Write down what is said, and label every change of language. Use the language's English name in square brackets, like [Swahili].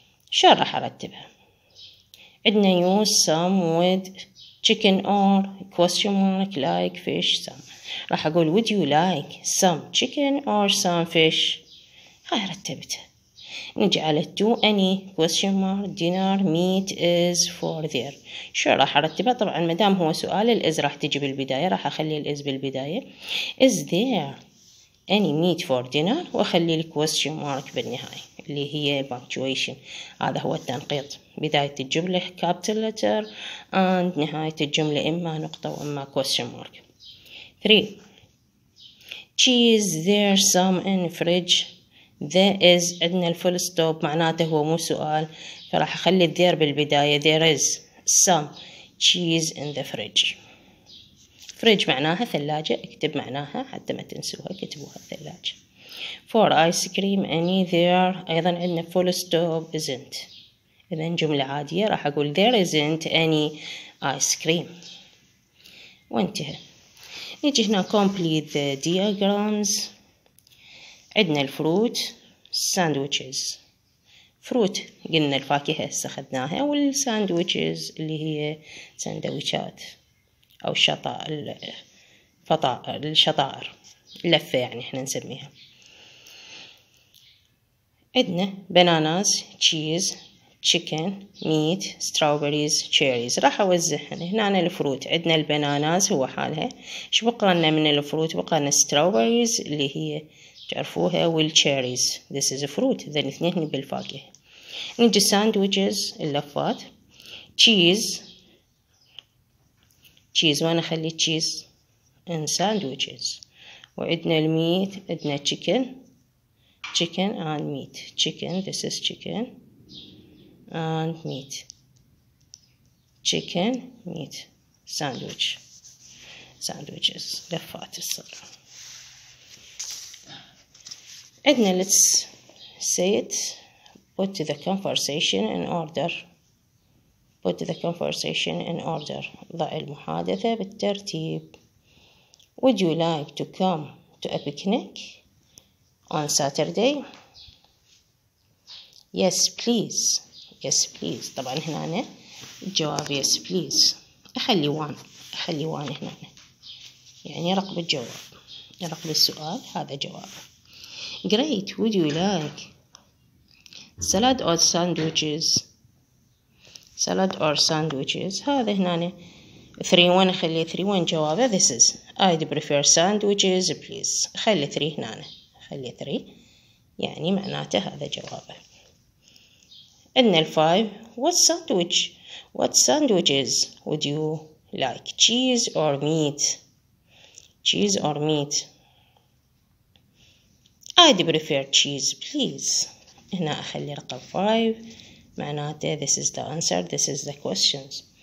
[Arabic] شلون راح ارتبها؟ عندنا use some with chicken or question mark like fish some راح أقول [English] would you like some chicken or some fish [Arabic] هاي رتبتها. نجي على do any question mark dinner meat is for there شو راح أرتبها؟ طبعا مدام هو سؤال الإز راح تجي بالبداية راح أخلي الإز بالبداية [English] is there any meat for dinner [Arabic] وأخلي question mark بالنهاية اللي هي punctuation هذا هو التنقيط بداية الجملة [English] capital letter and [Arabic] نهاية الجملة إما نقطة وإما question mark. 3 cheese there some in fridge there is عندنا الفول ستوب معناته هو مو سؤال فراح اخلي الذير بالبدايه [English] there is some cheese in the fridge [Arabic] معناها ثلاجه اكتب معناها حتى ما تنسوها كتبوها ثلاجه. 4 ice cream any there ايضا عندنا فول ستوب isn't اذا جمله عاديه راح اقول [English] there isn't any ice cream [Arabic] وانتهى. نجي هنا complete the diagrams عندنا الفروت sandwiches فروت قلنا الفاكهة استخدناها والساندويتشز اللي هي سندويشات أو الشطائر لفة يعني احنا نسميها. عندنا bananas cheese chicken meat strawberries cherries راح اوزعهن هنا أنا الفروت عندنا البناناز هو حالها ايش بقى لنا من الفروت بقى لنا strawberries اللي هي تعرفوها والcherries [English] this is a fruit [Arabic] ذن اثنين بالفاكهة. نجي sandwiches اللفات cheese وانا اخلي [English] cheese in sandwiches [Arabic] وعندنا الميت، عندنا [English] chicken، chicken and meat، chicken this is chicken and meat، chicken meat sandwich، sandwiches [Arabic] لفات الصلاة. [English] عندنا let's say it، put the conversation in order، put the conversation in order، [Arabic] ضع المحادثة بالترتيب. [English] Would you like to come to a picnic on Saturday؟ Yes please، yes please. [Arabic] طبعا هنا أنا الجواب [English] yes please، [Arabic] أخلي one، أخلي one هنا يعني رقم الجواب، رقم السؤال هذا جواب. [English] Great، would you like salad or sandwiches؟ salad or sandwiches [Arabic] هذا هنا 3-1، خلي 3-1 جوابه. [English] This is I'd prefer sandwiches please، [Arabic] خلي 3 هنا، خلي 3 يعني معناته هذا جوابه. إن الفايف، [English] what sandwich، what sandwiches would you like، cheese or meat، cheese or meat. I'd prefer cheese please، [Arabic] هنا أخلي رقم 5 معناته [English] this is the answer، this is the questions.